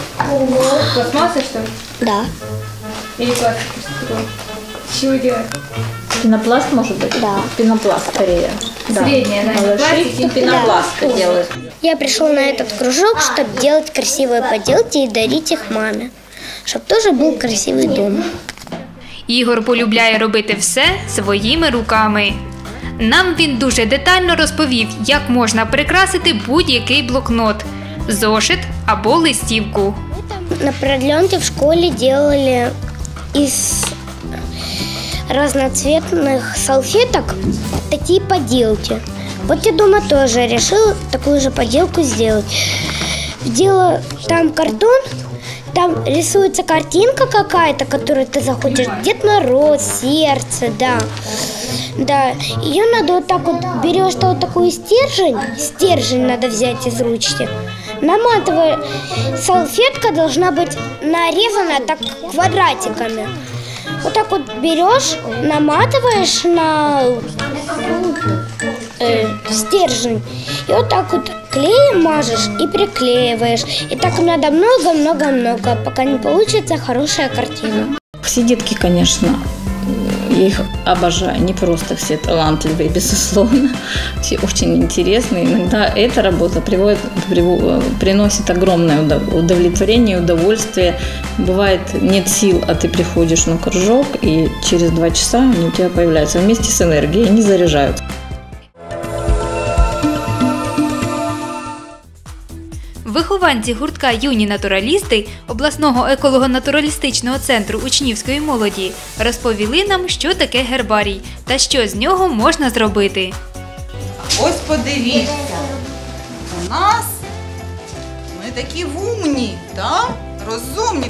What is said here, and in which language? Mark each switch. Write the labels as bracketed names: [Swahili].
[Russian] Ого, пластмассы что ли? Да. Или пластик? Из чего делает? Пенопласт может быть? Да. Пенопласт скорее. Средняя, да. Пенопласт делает. Я пришел на этот кружок, чтобы делать красивые поделки и дарить их маме. [Ukrainian] Щоб теж був красивий дом. Ігор полюбляє робити все своїми руками. Нам він дуже детально розповів, як можна прикрасити будь-який блокнот, зошит або листівку. На продленці в школі робили із різноцвітних салфеток такі поділки. От я вдома теж вирішив таку ж поділку зробити. Діла там картон. [Russian] Там рисуется картинка какая-то, которую ты захочешь. Дед Мороз, сердце, да. Да. Ее надо вот так вот, берешь вот такую стержень надо взять из ручки. Наматываешь. Салфетка должна быть нарезана так квадратиками. Вот так вот берешь, наматываешь на стержень. И вот так вот. Клеем мажешь и приклеиваешь. И так надо много-много-много, пока не получится хорошая картина. Все детки, конечно, Я их обожаю. Не просто все талантливые, безусловно. Все очень интересные. Иногда эта работа приносит огромное удовлетворение, удовольствие. Бывает, нет сил, а ты приходишь на кружок, и через 2 часа они у тебя появляются вместе с энергией, они заряжаются. [Ukrainian] Вихованці гуртка «Юні натуралісти» обласного еколого-натуралістичного центру учнівської молоді розповіли нам, що таке гербарій та що з нього можна зробити. Ось подивіться, у нас ми такі умні, та? Розумні.